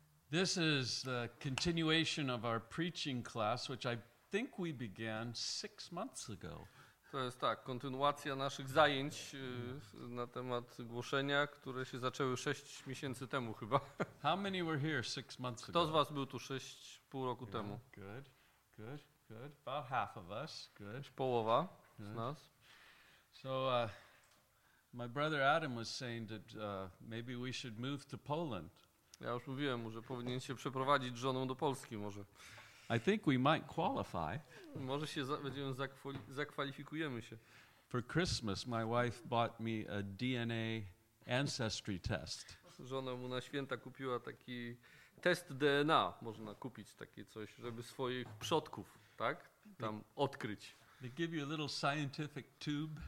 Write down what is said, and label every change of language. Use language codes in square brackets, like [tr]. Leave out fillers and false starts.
[en] This is the continuation of our preaching class, which I think we began 6 months ago. [pl] To jest tak, kontynuacja naszych zajęć na temat głoszenia, które się zaczęły 6 miesięcy temu chyba. [en] How many were here 6 months ago? [pl] Kto z was był tu 6,5 roku temu? [en] Good, good, good. About half of us, good. [pl] Już połowa z nas. [en] So, my brother Adam was saying that maybe we should move to Poland. [pl] Ja już mówiłem mu, że powinien się przeprowadzić z żoną do Polski może. [en] I think we might qualify. [pl] Może się zakwalifikujemy się. [en] For Christmas my wife bought me a DNA ancestry test. [pl] Żona mu na święta kupiła taki test DNA. Można kupić takie coś, żeby swoich przodków, tak? Tam odkryć. [en] They give you a little scientific tube.